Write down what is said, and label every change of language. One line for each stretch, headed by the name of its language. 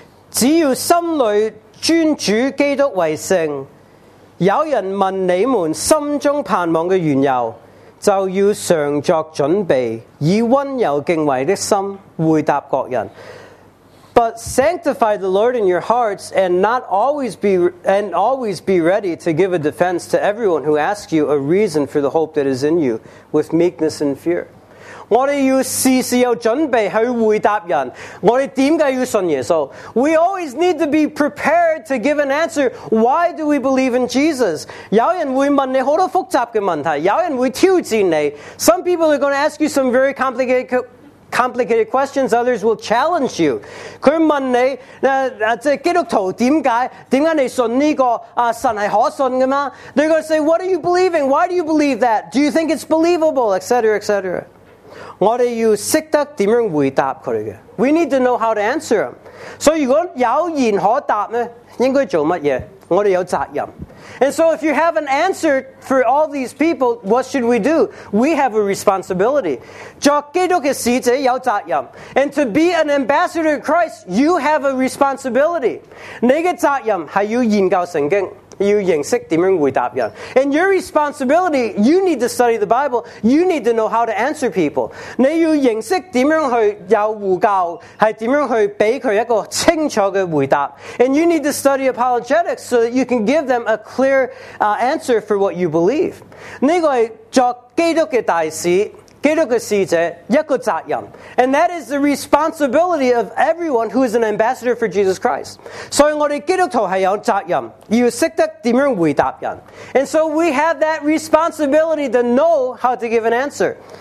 Chinese: 只要心里尊主基督为圣，有人问你们心中盼望的缘由，就要常作准备，以温柔敬畏的心回答各人。
English: But sanctify the Lord in your hearts, and always be ready to give a defense to everyone who asks you a reason for the hope that is in you with meekness and fear.
Chinese: 我们要事事有准备去回答人我们为什么要信耶稣
English: We always need to be prepared to give an answer Why do we believe in Jesus?
Chinese: 有人会问你很多复杂的问题有人会挑战你
English: Some people are going to ask you some very complicated questions Others will challenge you
Chinese: 他问你基督徒为什么你信这个神是可信的吗
English: They're going to say What are you believing? Why do you believe that? Do you think it's believable? Etc. etc.
Chinese: 我们要懂得怎样回答他们的。
English: We need to know how to answer them.
Chinese: 所以如果有言可答呢，应该做什么？我们有责任。
English: And so if you have an answer for all these people, what should we do? We have a responsibility.
Chinese: 作基督的使者有责任。
English: And to be an ambassador of Christ, you have a responsibility.
Chinese: 你的责任是要研究圣经。
English: You
Chinese: 认识怎样回答人
English: And your responsibility, you need to study the Bible. You need to know how to answer people.
Chinese: 你要认识怎样去有护教，是怎样去给他一个清楚的回答。
English: And you need to study apologetics so that you can give them a clear answer for what you believe.
Chinese: 这个是作基督的大使基督的使者一个责任
English: And that is the responsibility of everyone who is an ambassador for Jesus Christ.
Chinese: 所以我们基督徒是有责任要懂得怎样回答人
English: And so we have that responsibility to know how to give an answer.